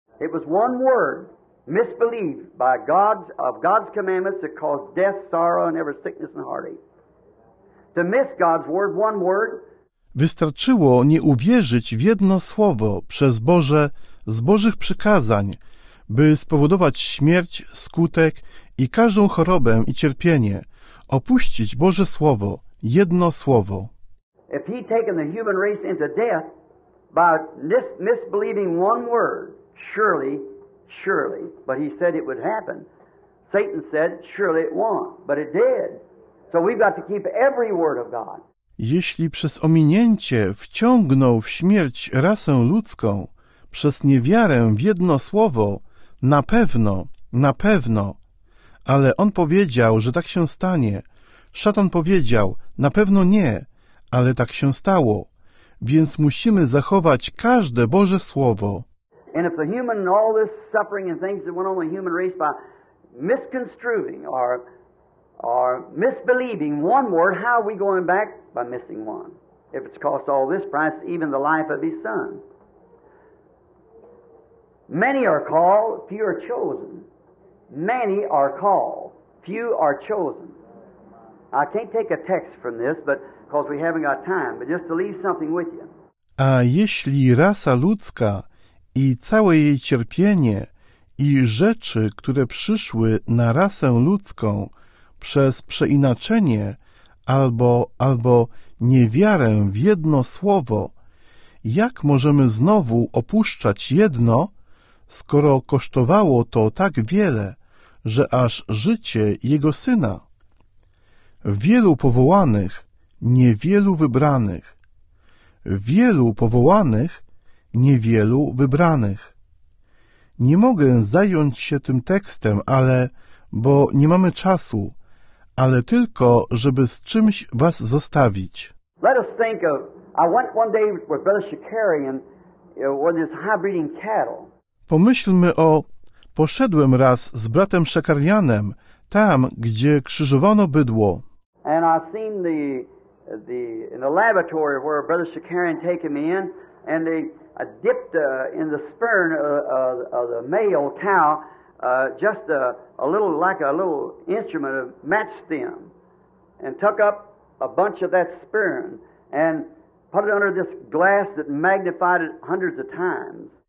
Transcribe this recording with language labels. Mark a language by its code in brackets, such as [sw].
[en] It was one word, misbelief by God's, of God's commandments that caused death, sorrow, and every sickness and heartache. To miss God's word, one word, [pl] wystarczyło nie uwierzyć w jedno słowo przez Boże, z Bożych przykazań, by spowodować śmierć, skutek i każdą chorobę i cierpienie. Opuścić Boże Słowo, jedno słowo. [en] If he'd taken the human race into death by misbelieving one word, surely, surely, but he said it would happen. Satan said, surely it won't, but it did. So we've got to keep every word of God. [pl] Jeśli przez ominięcie wciągnął w śmierć rasę ludzką, przez niewiarę w jedno słowo, na pewno, ale on powiedział, że tak się stanie. Szatan powiedział, na pewno nie, ale tak się stało. Więc musimy zachować każde Boże Słowo. [en] And if the human and all this suffering and things that went on the human race by misconstruing or misbelieving one word, how are we going back? By missing one. If it's cost all this price, even the life of his son. Many are called, few are chosen. Many are called, few are chosen. I can't take a text from this, but because we haven't got time, but just to leave something with you. [pl] A jeśli rasa ludzka i całe jej cierpienie i rzeczy, które przyszły na rasę ludzką przez przeinaczenie albo niewiarę w jedno słowo. Jak możemy znowu opuszczać jedno, skoro kosztowało to tak wiele, że aż życie jego syna? Wielu powołanych, niewielu wybranych. Wielu powołanych, niewielu wybranych. Nie mogę zająć się tym tekstem, ale bo nie mamy czasu, ale tylko, żeby z czymś was zostawić. [en] Let us think of, I went one day with Brother Shikari and with his high-breeding cattle. [pl] Pomyślmy o, poszedłem raz z bratem Shakarianem, tam, gdzie krzyżowano bydło. [en] And I seen the in the laboratory where Brother Shikarian taken me in, and they dipped in the sperm of the male cow, just a little, like a little instrument of match stem, and took up a bunch of that sperm and put it under this glass that magnified it hundreds of times.